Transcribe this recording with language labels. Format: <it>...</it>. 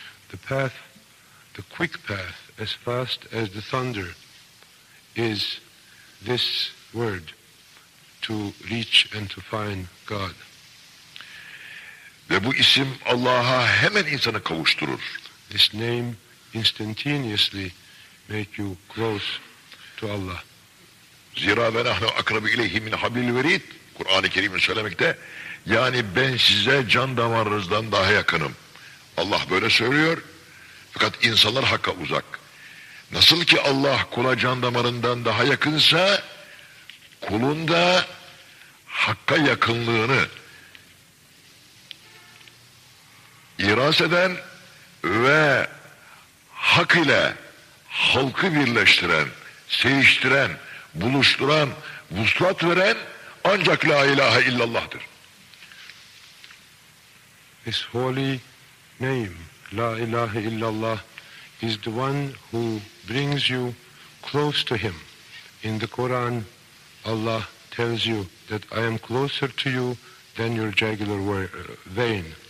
<en>The path, the quick path, as fast as the thunder, is this word, to reach and to find God.</en> <tr>Ve bu isim Allah'a hemen insanı kavuşturur.</tr> <en>This name instantaneously make you close to Allah.</en> <tr>Zira</tr> <ar>ve nahnu akrabu ileyhi min hablil verid,</ar> <tr>Kur'an-ı Kerim'in söylemekte, yani ben size can damarınızdan daha yakınım. Allah böyle söylüyor. Fakat insanlar hakka uzak. Nasıl ki Allah kula can damarından daha yakınsa, kulun da hakka yakınlığını iras eden ve hak ile halkı birleştiren, seviştiren, buluşturan, vuslat veren ancak La ilahe illallah'tır.</tr> <en>This holy name, La ilahe illallah, is the one who brings you close to him. In the Quran, Allah tells you that I am closer to you than your jugular vein.</en>